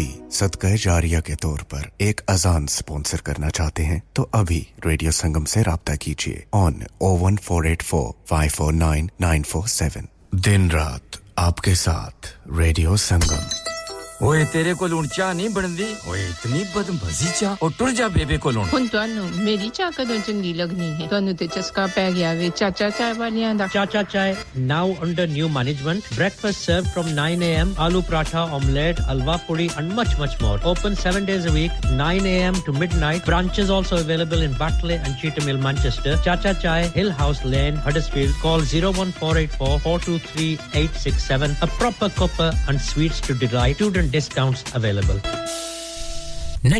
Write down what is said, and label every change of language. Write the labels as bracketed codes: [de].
[ur] صدقہ جاریہ کے طور پر ایک اذان سپونسر کرنا چاہتے ہیں تو ابھی ریڈیو سنگم سے رابطہ کیجئے on 01484549947 دن رات آپ کے ساتھ ریڈیو سنگم [pa] اوے تیرے کو لون چاہ نہیں بندی اوے اتنی بدمزی چاہ اور ٹر جا بیبے کو لون ہن توانو میری چاہ کدوں چنگی لگنی ہے توانو تے چسکا پہ گیا وے چاچا چائے والیاں دا [en] Chacha Chai now under new management breakfast serve from 9 am aloo paratha omelette halwa puri and much much more open 7 days a week 9 am to midnight branches also available in Batley and Cheetham Hill Manchester Chacha Chai Hill House Lane Huddersfield call 01484423867 a proper cup and sweets to delight Discounts available.